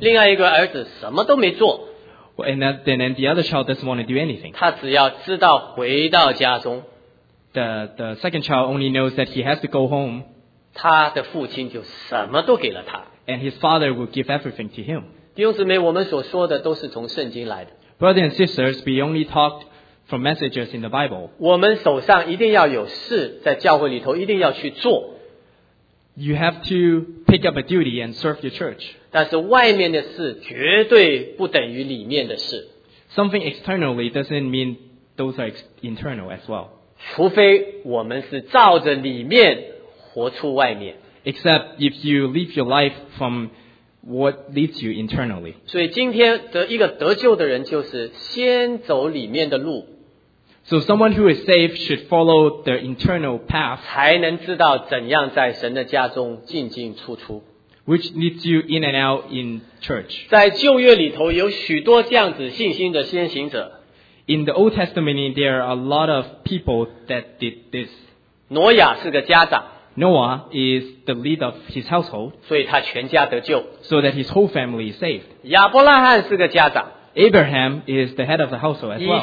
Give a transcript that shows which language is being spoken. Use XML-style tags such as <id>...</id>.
<zh>另外一个儿子什么都没做,</zh> <en>and then the other child doesn't want to do anything.</en> <zh>他只要知道回到家中,</zh> <en>the second child only knows that he has to go home.</en> <zh>他的父亲就什么都给了他,</zh> <en>and his father will give everything to him.</en> <zh>弟兄姊妹,我们所说的都是从圣经来的,</zh> <en>brothers and sisters, we only talked from messages in the Bible.</en> <zh>我们手上一定要有事在教会里头一定要去做,</zh> <en>you have to pick up a duty and serve your church.</en> <zh>但是外面的事绝对不等于里面的事,</zh> <en>something externally doesn't mean those are internal as well.</en> <zh>除非我们是照着里面活出外面。</zh> <en>Except if you live your life from what leads you internally.</en> <zh>所以今天的一个得救的人就是先走里面的路。</zh> <en>So someone who is saved should follow the internal path.</en> <zh>才能知道怎样在神的家中进进出出。</zh> <en>Which leads you in and out in church.</en> <zh>在旧约里头有许多这样子信心的先行者。</zh> <en>In the Old Testament, there are a lot of people that did this.</en> <zh>挪亚是个家长。</zh> <en>Noah is the lead of his household.</en> <zh>所以他全家得救。</zh> <en>So that his whole family is saved.</en> <zh>亚伯拉罕是个家长。</zh> <en>Abraham is the head of the household as well.</en>